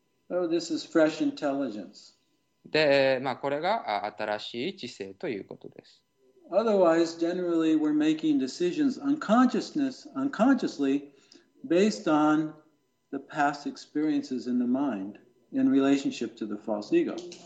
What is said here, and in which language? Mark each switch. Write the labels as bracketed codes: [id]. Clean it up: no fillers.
[en] Oh, this is fresh intelligence. [ja] で、これが新しい知性ということです。 [en] Otherwise, generally, we're making decisions unconsciously based on the past experiences in the mind in relationship to the false ego.